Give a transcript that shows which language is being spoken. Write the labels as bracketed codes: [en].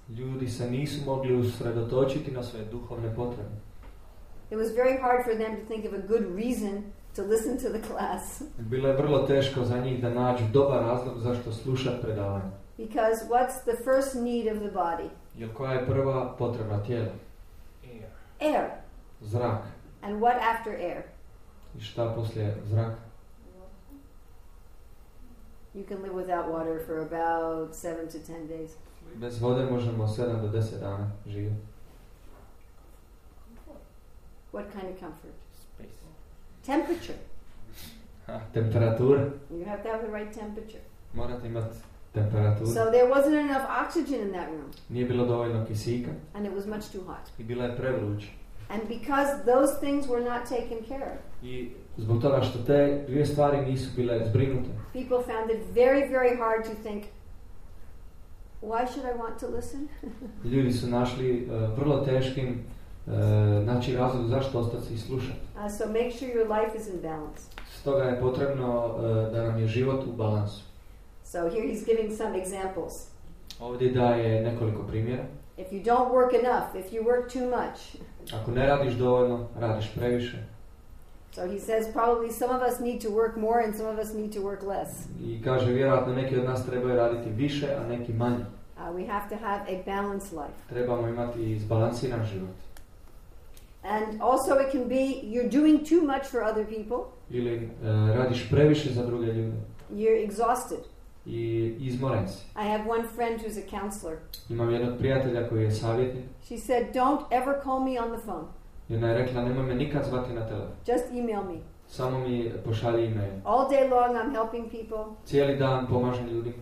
[hr] Ljudi se nisu mogli usredotočiti na svoje duhovne potrebe. [en] It was very hard for them to think of a good reason to listen to the class. [hr] Bilo je vrlo teško za njih da nađu dobar razlog zašto slušati predavanje. [en] Because what's the first need of the body? [hr] Jel koja je prva potreba tijela? [en] Air. [hr] Zrak. [en] And what after air? [hr] I šta poslije zraka? [en] You can live without water for about 7 to 10 days. [hr] Bez vode možemo 7 do 10 dana živjeti. [en] What kind of comfort? Space. Temperature. [hr] Temperatura. [en] You have to have the right temperature. [hr] Morate imati temperaturu. [en] So there wasn't enough oxygen in that room. [hr] Nije bilo dovoljno kisika. [en] And it was much too hot. [hr] I bila je prevruć. [en] And because those things were not taken care of. [hr] I zbog toga što te dvije stvari nisu bile zbrinute. [en] People found it very, very hard to think, why should I want to listen? [hr] Ljudi su našli vrlo teškim naći razlog zašto ostati i slušati. [en] So make sure your life is in balance. [hr] Stoga je potrebno da nam je život u balansu. [en] So here he's giving some examples. [hr] Ovdje daje nekoliko primjera. [en] If you don't work enough, if you work too much. [hr] Ako ne radiš dovoljno, radiš previše. [en] So he says probably some of us need to work more and some of us need to work less. [hr] I kaže vjerojatno neki od nas trebaju raditi više, a neki manje. [en] We have to have a balanced life. [hr] Trebamo imati izbalansiran život. [en] And also it can be you're doing too much for other people. [hr] Ili radiš previše za druge ljude. [en] You're exhausted. [hr] I izmoren si. [en] I have one friend who's a counselor. [hr] Imam jednog prijatelja koji je savjetnik. [en] She said, "Don't ever call me on the phone." [hr] I ona je rekla, nemoj me nikad zvati na telefon. [en] Just email me. [hr] Samo mi pošalji email. [en] All day long I'm helping people. [hr] Cijeli dan pomažem ljudima.